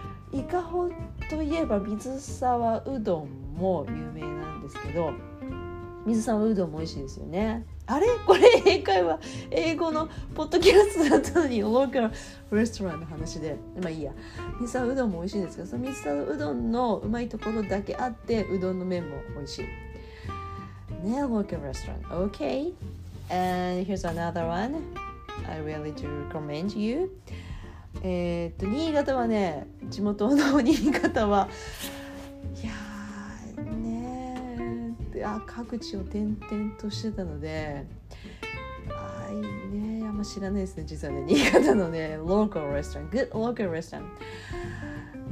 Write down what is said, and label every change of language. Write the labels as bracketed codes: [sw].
[ja] イカホといえば水沢うどんも有名なんですけど、水沢うどんも美味しいですよね。あれ、これ英会話、英語のポッドキャストだったのにローカルレストランの話で、まあいいや。水沢うどんも美味しいですけど、その水沢うどんのうまいところだけあって、うどんの麺も美味しいね、ローカルレストラン。 [en] OK and here's another one I really do recommend you。 [ja] 新潟はね、地元の新潟は、いやーねー、あ各地を転々としてたので、あーいいねー、山ま知らないですね、実はね、新潟のね、ローカルレストラン、グッドローカルレストラン。